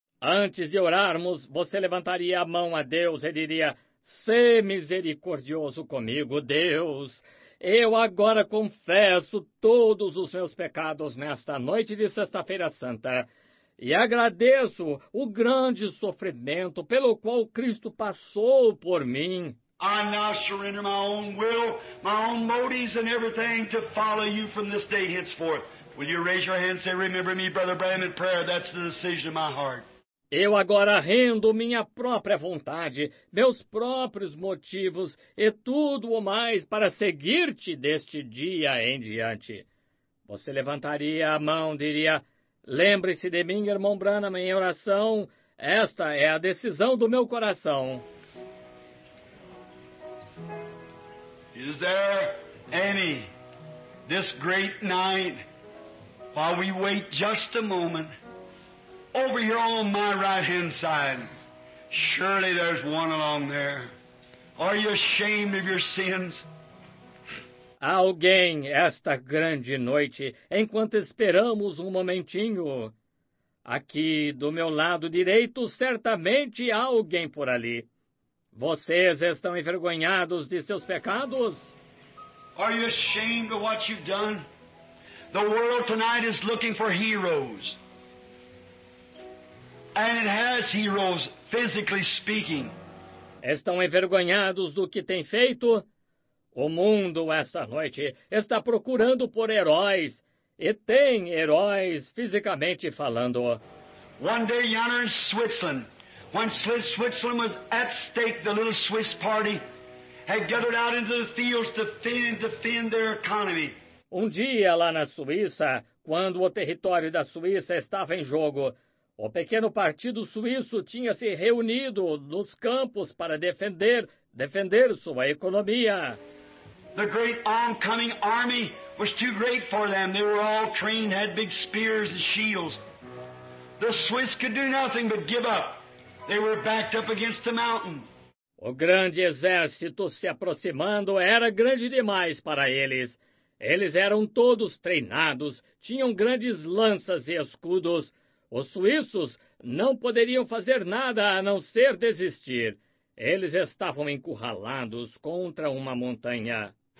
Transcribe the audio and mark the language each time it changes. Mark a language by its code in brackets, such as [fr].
[pt] Antes de orarmos, você levantaria a mão a Deus e diria, Sê misericordioso comigo, Deus. Eu agora confesso todos os meus pecados nesta noite de Sexta-feira Santa. E agradeço o grande sofrimento pelo qual Cristo passou por mim. [en] I now surrender my own will, my own motives and everything to follow you from this day henceforth. Will you raise your hand and say, remember me, Brother Branham, in prayer? That's the decision of my heart. [pt] Eu agora rendo minha própria vontade, meus próprios motivos e tudo o mais para seguir-te deste dia em diante. Você levantaria a mão e diria, lembre-se de mim, irmão Branham, em oração. Esta é a decisão do meu coração. [en] Is there any this great night... While we wait just a moment, over here on my right-hand side, surely there's one along there. Are you ashamed of your sins? [pt] Alguém esta grande noite, enquanto esperamos um momentinho, aqui do meu lado direito, certamente há alguém por ali. Vocês estão envergonhados de seus pecados? [en] Are you ashamed of what you've done? The world tonight is looking for heroes. And it has heroes, physically speaking. [pt] Estão envergonhados do que têm feito? O mundo esta noite está procurando por heróis. E tem heróis, fisicamente falando. [en] One day yonder in Switzerland, when Switzerland was at stake, the little Swiss party had gathered out into the fields to defend their economy. [pt] Um dia, lá na Suíça, quando o território da Suíça estava em jogo, o pequeno partido suíço tinha se reunido nos campos para defender sua economia. [en] The great oncoming army was too great for them. They were all trained, had big spears and shields. The Swiss could do nothing but give up. They were backed up against the mountain. [pt] O grande exército se aproximando era grande demais para eles. Eles eram todos treinados, tinham grandes lanças e escudos. Os suíços não poderiam fazer nada a não ser desistir. Eles estavam encurralados contra uma montanha.